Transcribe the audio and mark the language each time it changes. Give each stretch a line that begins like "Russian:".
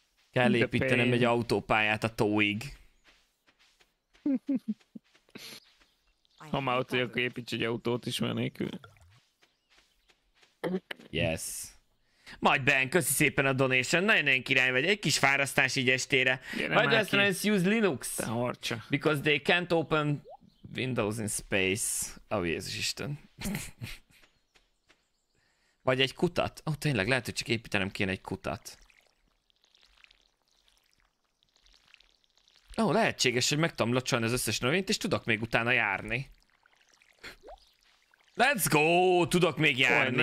Hungarian: Kell építenem egy autópályát a tóig. Ha már ott vagyok, építs egy autót is menékül.
English: Yes.
Hungarian: Majd Ben, köszi szépen a donation, nagyon-nagyon király vagy, egy kis fárasztás így estére. Majd az
English: friends use Linux. Because they can't open Windows in space.
Hungarian: Ó, oh, Jézus Isten. Vagy egy kutat? Ó, oh, tényleg, lehet, hogy csak építenem kéne egy kutat. Ó, oh, lehetséges, hogy meg tudom locsolni az összes növényt, és tudok még utána járni.
English: Let's go!
Hungarian: Tudok még járni!